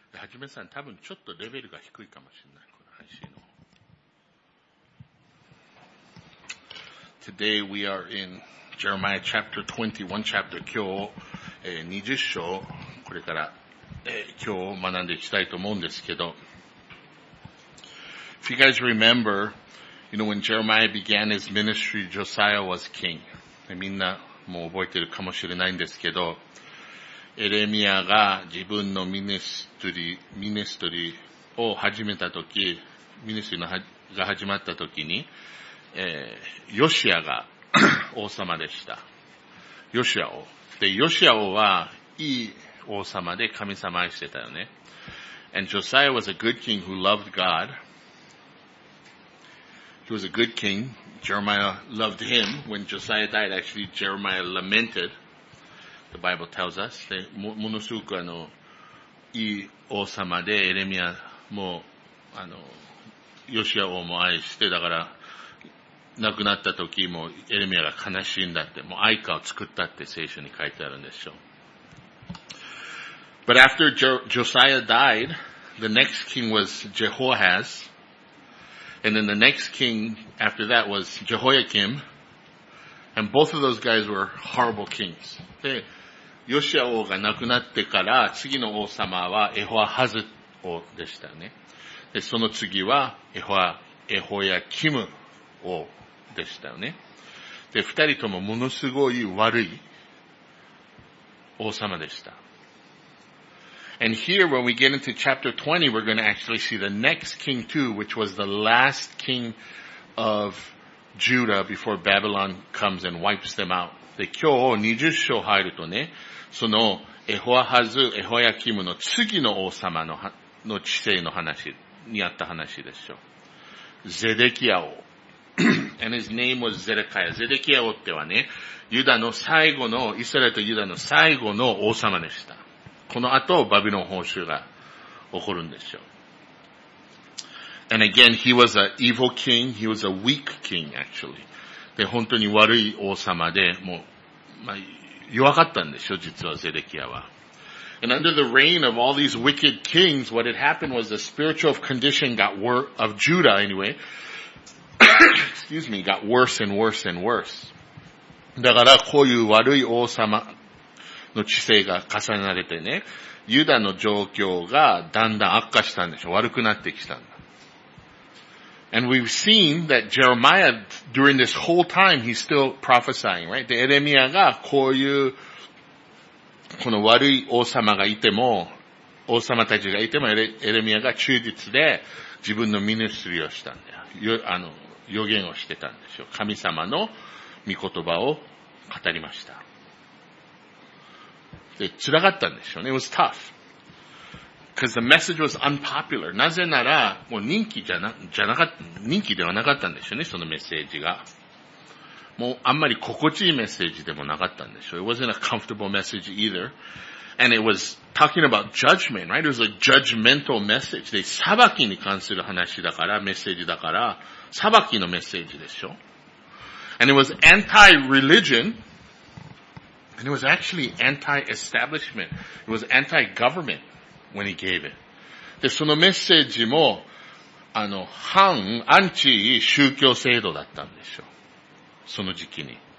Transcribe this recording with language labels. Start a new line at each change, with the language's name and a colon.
Japanese: じめさん多分ちょっとレベルが低いかもしれない、この配信の。
English: Today we are in Jeremiah chapter 21 chapter.
Japanese: 今日、20章、これから、今日学んでいきたいと思うんですけど。
English: If you guys remember, you know, when Jeremiah began his ministry, Josiah was king.
Japanese: みんなもう覚えてるかもしれないんですけど、エレミアが自分のミニストリーを始めたとき、ミニストリーが始まったときに、ヨシアが王様でした。ヨシア王。で、ヨシア王はいい王様で神様愛してたよね。
English: And Josiah was a good king who loved God. He was a good king. Jeremiah loved him. When Josiah died, actually, Jeremiah lamented. The Bible tells us,
Japanese: で、ものすごくいい王様で、エレミアも、ヨシア王も愛して、だから、亡くなった時も、エレミアが悲しいんだって、もう哀歌を作ったって聖書に書いてあるんでしょう。
English: But after Josiah died, the next king was Jehoahaz, and then the next king after that was Jehoiakim, and both of those guys were horrible kings.
Japanese: でヨシア王が亡くなってから次の王様はエホアハズ王でしたね。で、その次はエホヤキム王でしたよね。で、二人ともものすごい悪い王様でした。
English: And here when we get into chapter 20, we're going to actually see the next king too, which was the last king of Judah before Babylon comes and wipes them out.
Japanese: で、今日20章入るとね、そのエホアハズ、エホヤキムの次の王様の、の治世の話にあった話でしょう。
English: ゼデキヤ王。And his name was Zedekiah.
Japanese: ゼデキヤ王ってはね、ユダの最後の、イスラエルとユダの最後の王様でした。この後、バビロン報酬が起こるんでしょう。
English: And again, he was an evil king. He was a weak king, actually.
Japanese: で、本当に悪い王様で、もう、まあ、弱かったんでしょ、実はゼデキヤは。
English: And under the reign of all these wicked kings, what had happened was the spiritual condition got worse, of Judah anyway, excuse me, got worse and worse and worse.
Japanese: だからこういう悪い王様の治世が重なれてね、ユダの状況がだんだん悪化したんでしょ、悪くなってきたんだ。
English: And we've seen that Jeremiah, during this whole time, he's still prophesying, right?
Japanese: で、エレミアがこういう、この悪い王様がいても、王様たちがいても、エレミアが忠実で自分のミニストリーをしたんだよ。予言をしてたんですよ。神様の御言葉を語りました。で、辛かったんでしょうね。
English: It was tough. Because the message was unpopular.
Japanese: なぜなら、もう人気ではなかったんでしょうね、そのメッセージが。もうあんまり心地いいメッセージでもなかったんでしょう。
English: It wasn't a comfortable message either. And it was talking about judgment, right? It was a judgmental message.
Japanese: で、裁きに関する話だから、メッセージだから、裁きのメッセージでしょ。
English: And it was anti-religion. And it was actually anti-establishment. It was anti-government. When he gave it.
Japanese: で、そのメッセージも、アンチ宗教制度だったんでしょう。その時期に。